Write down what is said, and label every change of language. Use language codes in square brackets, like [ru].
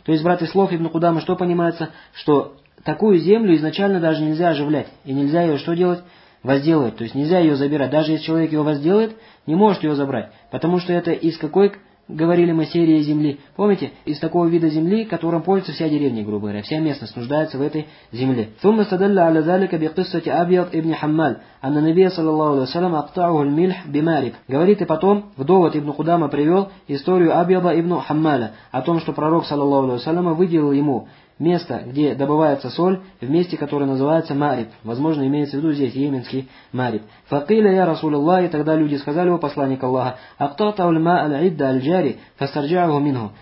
[ru] То есть, братья слов ибн Кудама, что понимается? Что такую землю изначально даже нельзя оживлять. И нельзя ее что делать? Возделывать. То есть нельзя ее забирать. Даже если человек ее возделает, не может ее забрать. Потому что это из какой, говорили мы, серии земли? Помните? Из такого вида земли, которым пользуется вся деревня, грубо говоря. Вся местность нуждается в этой земле. [ar] ثم استدل على ذلك بقصة أبيض ابن حمال أن النبي صلى الله عليه وسلم أقطعه الملح بمارب. [ru] Говорит, и потом вдовод ибн Кудама привел историю Абьяда ибн Хаммала о том, что пророк [ar] صلى الله عليه وسلم [ru] выделил ему место, где добывается соль, в месте, которое называется Мариб. Возможно, имеется в виду здесь йеменский Мариб. [ar] Факиля я Расулуллах, [ru] и тогда люди сказали о посланник Аллаха, [ar] Актата ульма аль-идда аль-джари, фастарджаху минху.